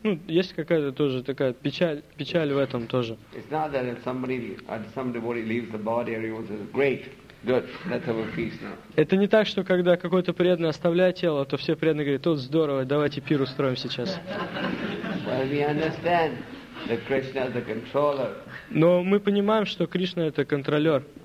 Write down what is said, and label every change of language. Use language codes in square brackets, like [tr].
[ru] Ну, есть какая-то тоже такая печаль в этом тоже. [en] It's not that if somebody leaves the body, everyone says great. Good, let's have a feast now. [ru] Это не так, что когда какой-то преданный оставляет тело, то все преданные говорят: "Тут здорово, давайте пир устроим сейчас". [en] Well, we understand that Krishna is the controller. [ru] Но мы понимаем, что Кришна это контролер.